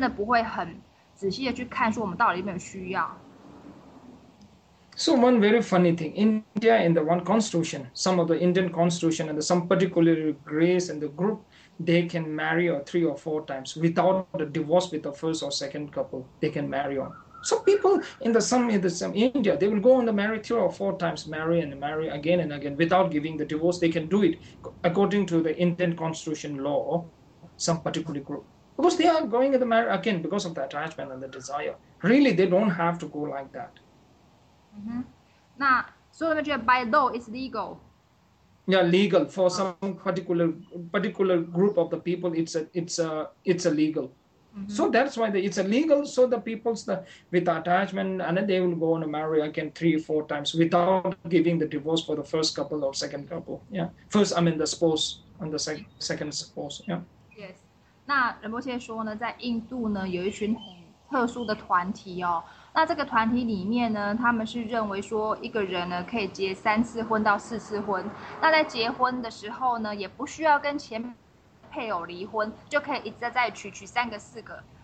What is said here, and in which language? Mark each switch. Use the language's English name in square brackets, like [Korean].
[Chinese] 所以这种贪着呢，有时候就是我们真的不会很仔细的去看，说我们到底有没有需要。 [English] So one very funny thing, India in the one constitution, some of the Indian constitution and some particular grace and the group, they can marry or 3 or 4 times without a divorce with the first or second couple, they can marry on. So people in India, they will go on the marry 3 or 4 times, marry and marry again and again without giving the divorce. They can do it according to the Indian constitution law, some particular group. Because they are going in the marry again because of the attachment and the desire. Really, they don't have to go like that. Mm-hmm. Now, so that you by law, it's legal. Yeah, legal for some particular group of the people. It's a legal. Mm-hmm. So that's why it's illegal. So the people's with attachment, and then they will go on a marry again 3 or 4 times without giving the divorce for the first couple or second couple. Yeah, first, I mean the spouse and the second spouse. Yeah. Yes. [Chinese] 那仁波切说呢，在印度呢有一群很特殊的团体哦。那这个团体里面呢，他们是认为说一个人呢可以结3次婚到4次婚。那在结婚的时候呢，也不需要跟前配偶离婚，就可以一再娶3个4个。